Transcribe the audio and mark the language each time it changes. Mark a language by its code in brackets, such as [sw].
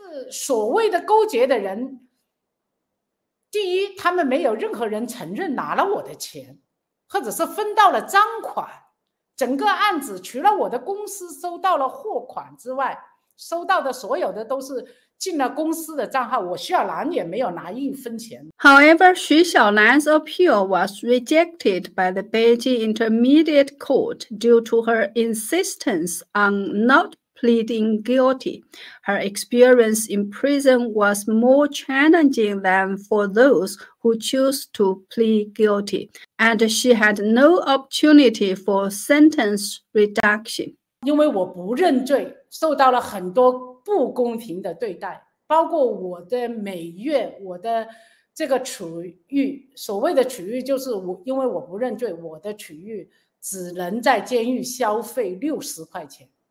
[zh] 所谓的勾结的人，第一，他们没有任何人承认拿了我的钱，或者是分到了赃款，整个案子除了我的公司收到了货款之外，收到的所有的都是进了公司的账号，我需要蓝也没有拿一分钱。 [en] However, 徐小兰's appeal was rejected by the Beijing Intermediate Court due to her insistence on not pleading guilty. Her experience in prison was more challenging than for those who choose to plead guilty, and she had no opportunity for sentence reduction. [zh] 因为我不认罪，受到了很多不公平的对待，包括我的每月我的这个处遇，所谓的处遇就是我因为我不认罪，我的处遇只能在监狱消费60块钱。